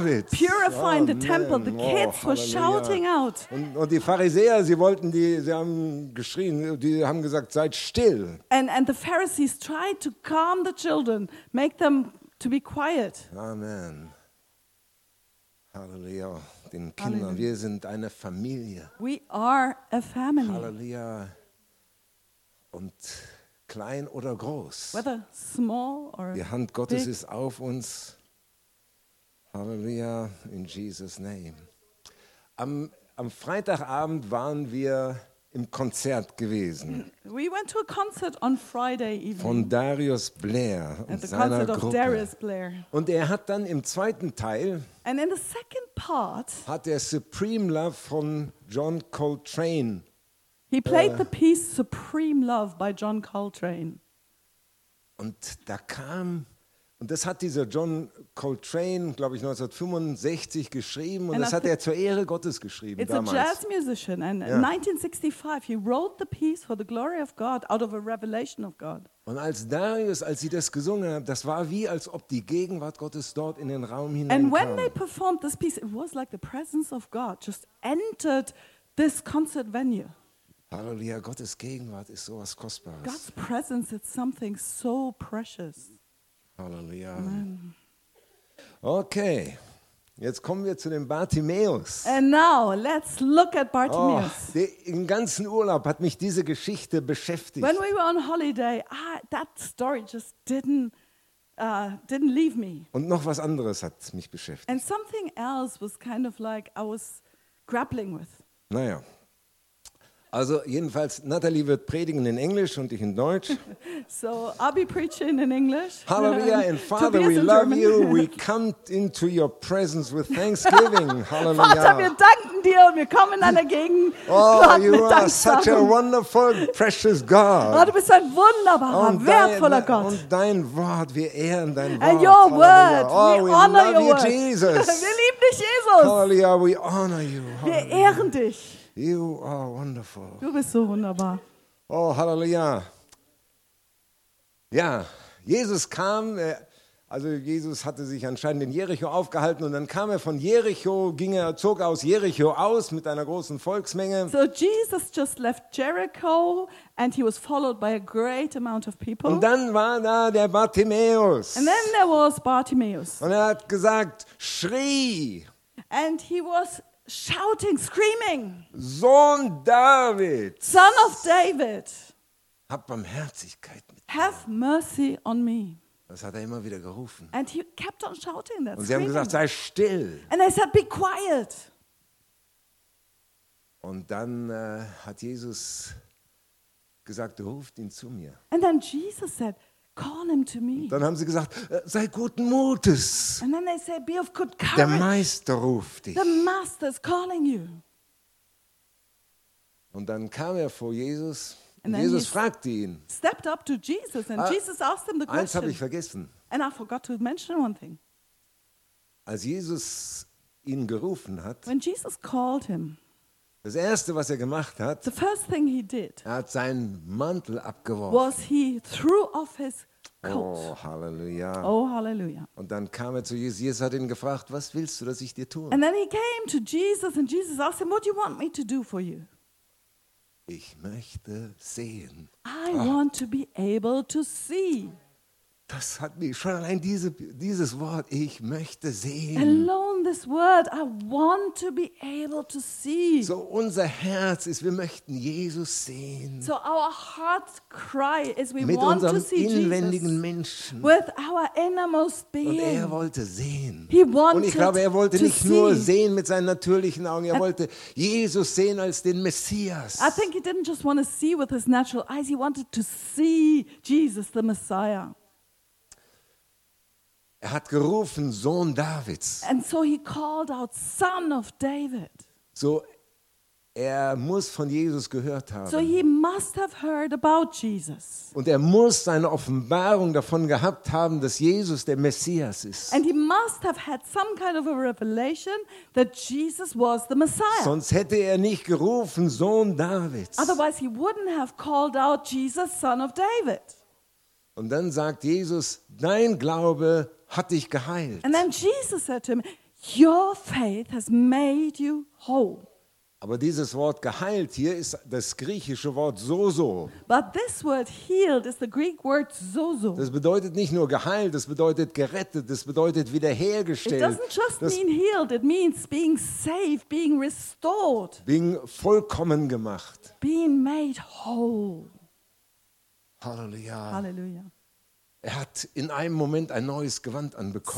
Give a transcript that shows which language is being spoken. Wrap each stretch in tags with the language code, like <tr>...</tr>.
<en>purifying the temple, the kids were shouting out.</en> <de>Und die Pharisäer, sie haben geschrien, die haben gesagt, seid still.</de> <en>And the Pharisees tried to calm the children, make them to be quiet.</en> <de>Amen. Halleluja, den Kindern. Wir sind eine Familie.</de> <en>We are a family.</en> <de>Halleluja. Und klein oder groß.</de> <en>Whether small or</en> <de>Die Hand Gottes</de> <en>big.</en> <de>Ist auf uns. Halleluja, in Jesus' name. Am Freitagabend waren wir im Konzert gewesen.</de> <en>We went to a concert on Friday evening.</en> <de>Von Darius Blair und seiner Gruppe. Darius Blair. Und er hat dann im zweiten Teil</de> <en>And in the second part,</en> <de>hat er Supreme Love von John Coltrane</de> <en>He played the piece Supreme Love by John Coltrane.</en> <de>Und da kam, und das hat dieser John Coltrane, glaube ich, 1965 geschrieben und das hat er zur Ehre Gottes geschrieben</de> <en>it's</en> <de>damals.</de> <en>It's a jazz musician and in 1965 he wrote the piece for the glory of God out of a revelation of God.</en> <de>Und als Darius, als sie das gesungen haben, das war wie, als ob die Gegenwart Gottes dort in den Raum hineinkam.</de> <en>And when they performed this piece, it was like the presence of God just entered this concert venue.</en> <de>Halleluja, Gottes Gegenwart ist sowas Kostbares.</de> <en>God's presence is something so precious.</en> <de>Halleluja. Amen. Okay, jetzt kommen wir zu dem Bartimäus.</de> <en>And now, let's look at Bartimäus.</en> <de>Oh, den ganzen Urlaub hat mich diese Geschichte beschäftigt.</de> <en>When we were on holiday, that story just didn't leave me.</en> <de>Und noch was anderes hat mich beschäftigt.</de> <en>And something else was kind of like I was grappling with.</en> <de>Naja. Also jedenfalls, Natalie wird predigen in Englisch und ich in Deutsch.</de> <en>So, I'll be preaching in English. Hallelujah, and Father, we love you. We come into your presence with thanksgiving. Hallelujah.</en> <de>Vater, wir danken dir und wir kommen in deiner Gegend.</de> <en>Oh, you are such a wonderful, precious God.</en> <de>Du bist ein wunderbarer, wertvoller Gott. Und dein Wort, wir ehren dein Wort.</de> <en>And your word, oh, we honor your word. Jesus.</en> <de>Wir lieben dich, Jesus.</de> <en>Hallelujah, we honor you.</en> <de>Wir ehren dich.</de> <en>You are wonderful.</en> <de>Du bist so wunderbar. Oh, halleluja. Ja, Jesus kam, also Jesus hatte sich anscheinend in Jericho aufgehalten und dann kam er von Jericho, zog aus Jericho aus mit einer großen Volksmenge.</de> <en>So Jesus just left Jericho and he was followed by a great amount of people.</en> <de>Und dann war da der Bartimäus.</de> <en>And then there was Bartimäus.</en> <de>Und er hat gesagt, schrie.</de> <en>And he was shouting, screaming.</en> <de>Sohn David.</de> <en>Son of David.</en> <de>Hab Barmherzigkeit mit mir.</de> <en>Have mercy on me.</en> <de>Das hat er immer wieder gerufen.</de> <en>And he kept on shouting that.</en> <de>Und</de> <en>screaming.</en> <de>Sie haben gesagt, sei still.</de> <en>And I said, be quiet.</en> <de>Und dann hat Jesus gesagt, ruft ihn zu mir.</de> <en>And then Jesus said, call him to me.</en> <de>Dann haben sie gesagt, sei guten Mutes.</de> <en>And then they say, be of good courage.</en> <de>Der Meister ruft dich.</de> <en>The master is calling you.</en> <de>Und dann kam er vor Jesus. Und Jesus fragte ihn.</de> <en>Stepped up to Jesus and Jesus asked him the question.</en> <de>Eins habe ich vergessen.</de> <en>And I forgot to mention one thing.</en> <de>Als Jesus ihn gerufen hat.</de> <en>When Jesus called him.</en> <de>Das erste, was er gemacht hat,</de> <en>the first thing he did,</en> <de>er hat seinen Mantel abgeworfen.</de> <en>Was he threw off his coat.</en> <de>Oh, Halleluja. Oh, Halleluja. Und dann kam er zu Jesus. Jesus hat ihn gefragt, was willst du, dass ich dir tue?</de> <en>And then he came to Jesus and Jesus asked him, what do you want me to do for you?</en> <de>Ich möchte sehen.</de> <en>I want to be able to see.</en> <de>Das hat mich schon allein dieses Wort, ich möchte sehen.</de> <en>Alone this word, I want to be able to see.</en> <de>So unser Herz ist, wir möchten Jesus sehen.</de> <en>So our heart's cry is, we</en> <de>mit</de> <en>want to see Jesus.</en> <de>Mit unserem inwendigen Menschen.</de> <en>With our innermost being.</en> <de>Und er wollte sehen.</de> <en>He wanted.</en> <de>Und ich glaube, er wollte nicht nur sehen mit seinen natürlichen Augen. Er wollte Jesus sehen als den Messias.</de> <en>I think he didn't just want to see with his natural eyes. He wanted to see Jesus, the Messiah.</en> <de>Er hat gerufen, Sohn Davids.</de> <en>And so he called out, Son of David.</en> <de>So er muss von Jesus gehört haben.</de> <en>So he must have heard about Jesus.</en> <de>Und er muss seine Offenbarung davon gehabt haben, dass Jesus der Messias ist.</de> <en>And he must have had some kind of a revelation that Jesus was the Messiah.</en> <de>Sonst hätte er nicht gerufen, Sohn Davids.</de> <en>Otherwise he wouldn't have called out Jesus, Son of David.</en> <de>Und dann sagt Jesus, dein Glaube hat dich geheilt.</de> <en>And then Jesus said to him, your faith has made you whole.</en> <de>Aber dieses Wort geheilt hier ist das griechische Wort sozo.</de> <en>But this word healed is the Greek word sozo.</en> <de>Das bedeutet nicht nur geheilt, das bedeutet gerettet, das bedeutet wiederhergestellt.</de> <en>It doesn't just mean healed, it means being saved, being restored. Being</en> <de>vollkommen gemacht.</de> <en>Being made whole.</en> <de>Halleluja. Halleluja. Er hat in einem Moment ein neues Gewand anbekommen.</de>